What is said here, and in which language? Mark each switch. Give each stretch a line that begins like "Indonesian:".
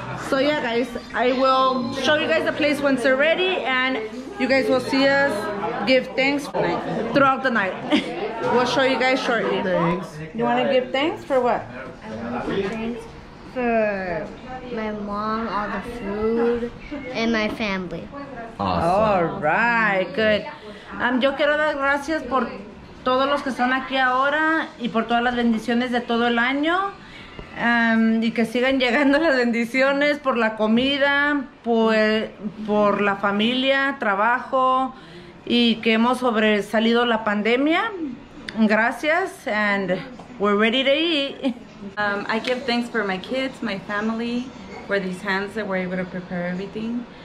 English: So yeah, guys, I will show you guys the plates once they're ready, and you guys will see us give thanks throughout the night. We'll show you guys shortly. Thanks. You wanna give thanks for what? I wanna give thanks for my mom, all the food, and my family. Awesome. All right, good.
Spanish: Yo quiero dar gracias por todos los que están aquí ahora y por todas las bendiciones de todo el año. Y que sigan llegando las bendiciones por la comida, por la familia, trabajo, y que hemos sobresalido la pandemia.
English: Gracias, and we're ready to eat. I give thanks for my kids, my family, for these hands that were able to prepare everything.